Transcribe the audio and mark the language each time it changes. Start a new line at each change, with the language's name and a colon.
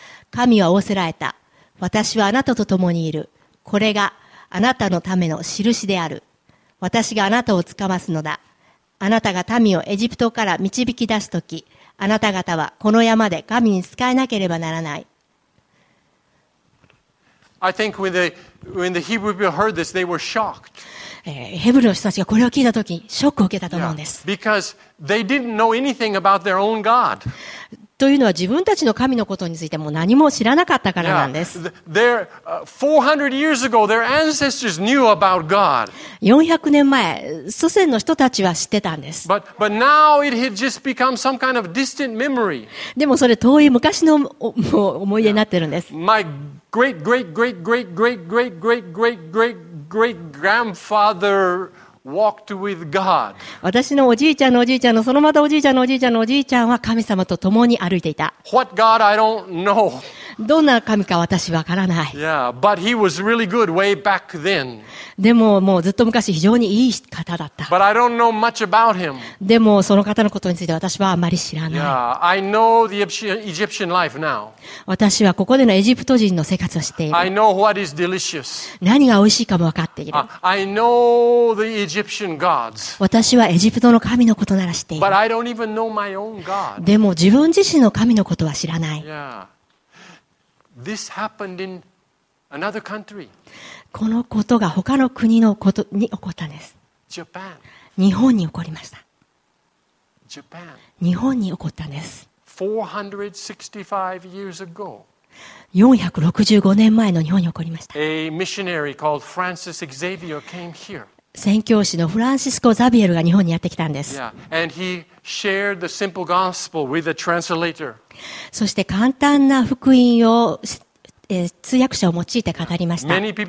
Japanese: 神は仰せられた。私はあなたと共にいる。これがあなたのための印である。私があなたを捕ますのだ。あなたが民をエジプトから導き出すとき、あなた方はこの山で神に仕えなければならない。
English: I think when the Hebrew people heard this, they were shocked.
Japanese: ヘブルの人たちがこれを聞いたとき、ショックを受けたと思うんです。
English: Yeah, because they didn't know anything about their own God.
Japanese: というのは自分たちの神のことについても何も知らなかったからなんです。
English: Yeah, their 400 years ago, their ancestors knew about God.
Japanese: 400年前、祖先の人たちは知ってたんです。
English: But now it had just become some kind of distant memory.
Japanese: でもそれ遠い昔の思い出になってるんです。
English: Yeah, my great great great great great great great great great great grandfather walked with God.
Japanese: 私のおじいちゃんのおじいちゃんのそのまたおじいちゃんのおじいちゃんのおじいちゃんは神様と共に歩いていた。
English: What God I don't know.
Japanese: どんな神か私わからない。
English: Yeah, but he was really good way back then.
Japanese: でももうずっと昔非常にいい方だった。
English: But I don't know much about him.
Japanese: でもその方のことについて私はあまり知らない。
English: Yeah, I know the Egyptian life now.
Japanese: 私はここでのエジプト人の生活を知っている。
English: I know what is delicious.
Japanese: 何が美味しいかもわかっている。
English: I know the Egyptian gods.
Japanese: 私はエジプトの神のことなら知っている。
English: But I don't even know my own God.
Japanese: でも自分自身の神のことは知らない。
English: Yeah. This happened in another country.
Japanese: このことが他の国のことに起こったんです。
English: Japan.
Japanese: 日本に起こりました。
English: Japan.
Japanese: 日本に起こったんです。
English: 465 years ago.
Japanese: 465年前の日本に起こりました。
English: A missionary called Francis Xavier came here.
Japanese: 宣教師のフランシスコ・ザビエルが日本にやってきたんです。
English: Yeah. And he shared the simple gospel with the translator.
Japanese: そして簡単な福音を通訳者を用いて語りました。